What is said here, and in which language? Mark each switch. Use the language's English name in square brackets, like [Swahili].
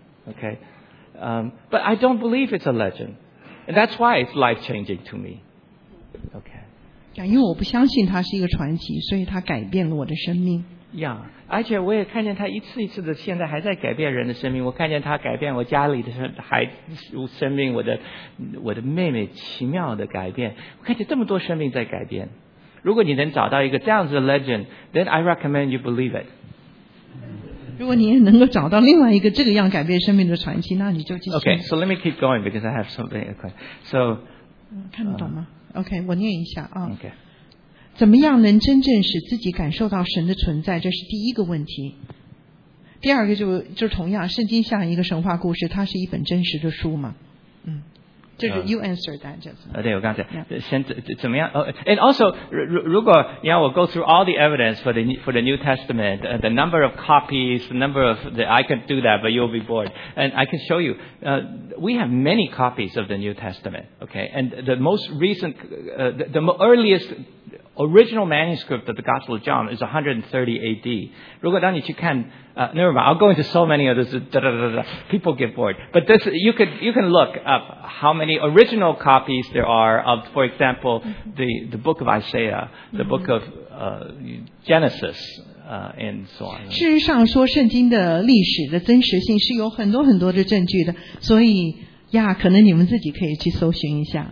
[English] OK,but I don't believe it's a legend. And that's why it's life changing to me. OK. [Chinese] 因为我不相信它是一个传奇，所以它改变了我的生命。 Yeah, 而且我也看见它一次一次的现在还在改变人的生命，我看见它改变我家里的孩子生命，我的妹妹奇妙的改变，我看见这么多生命在改变。如果你能找到一个这样子的 legend, [English] then I recommend you believe it. [Chinese] 如果你也能够找到另外一个这个样改变生命的传奇，那你就继续。 [English] OK, so let me keep going because I have something. OK, so [Chinese] 看得懂吗？OK, 我念一下啊。 [English] OK, [Chinese] 怎么样能真正使自己感受到神的存在，这是第一个问题。第二个就同样，圣经像一个神话故事，它是一本真实的书吗？就是 [English] you answer that just. [Chinese] 对，我刚才、yeah. 先怎么样？ [English] And also, [Chinese] 如果你要我 [English] go through all the evidence for the New Testament, the number of copies, the number of the, I can do that, but you'll be bored. And I can show you, we have many copies of the New Testament. Okay, and the most recent, the earliest original manuscript of the Gospel of John is 130 AD. [Chinese] 如果当你去看 [English] never mind, I'll go into so many of those, people get bored. But this, you can look up how many original copies there are of, for example, the book of Isaiah, the book of Genesis, and so on. [Chinese] 事实上说圣经的历史的真实性是有很多很多的证据的，所以呀、yeah, 可能你们自己可以去搜寻一下。